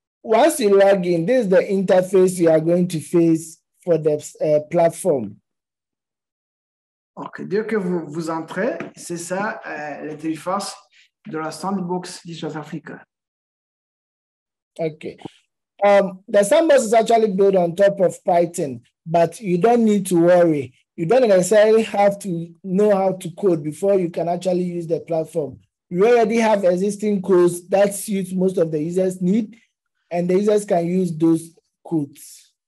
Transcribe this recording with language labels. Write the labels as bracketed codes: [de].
[en] Once you log in, this is the interface you are going to face for the platform. [fr] Ok, dès que vous entrez, c'est ça l'interface de la Sandbox Digital Africa. Ok. [en] The Sandbox is actually built on top of Python, but you don't need to worry. You don't necessarily have to know how to code before you can actually use the platform. You already have existing codes that suit most of the users need, and the users can use those codes.